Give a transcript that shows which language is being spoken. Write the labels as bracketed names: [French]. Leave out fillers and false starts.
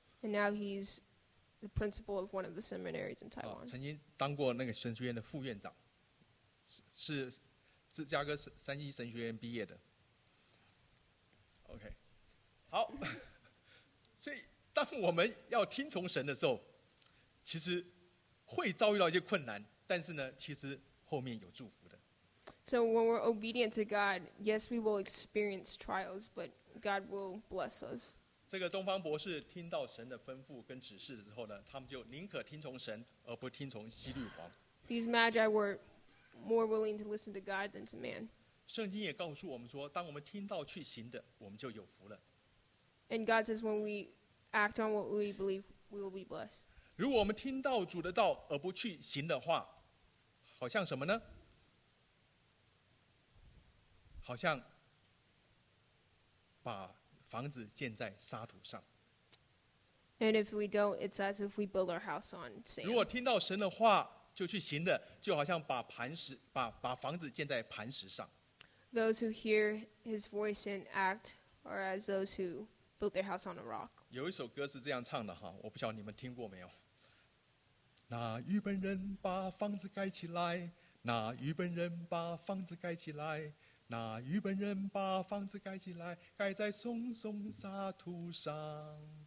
[English] And now he's the principal of one of the seminaries in Taiwan. [Chinese] 曾经当过那个神学院的副院长，是芝加哥三一神学院毕业的。 OK， 好。所以当我们要听从神的时候，其实会遭遇到一些困难，但是呢，其实后面有祝福的。 [English] So when we're obedient to God, yes, we will experience trials, but God will bless us. [Chinese] 这个东方博士听到神的吩咐跟指示之后呢，他们就宁可听从神而不听从希律王。 [English] These magi were more willing to listen to God than to man. [Chinese] 圣经也告诉我们说，当我们听到去行的，我们就有福了。 [English] And God says when we act on what we believe, we will be blessed. [Chinese] 如果我们听到主的道而不去行的话，好像什么呢？好像把房子建在沙土上。 [English] And if we don't, it's as if we build our house on sand. [Chinese] 如果听到神的话就去行的，就好像把房子建在磐石上。 [English] Those who hear his voice and act are as those who build their house on a rock. [Chinese] 有一首歌是这样唱的哈，我不晓得你们听过没有。那愚笨人把房子盖起来，那愚笨人把房子盖起来。那愚笨人把房子盖起来，盖在松松沙土上。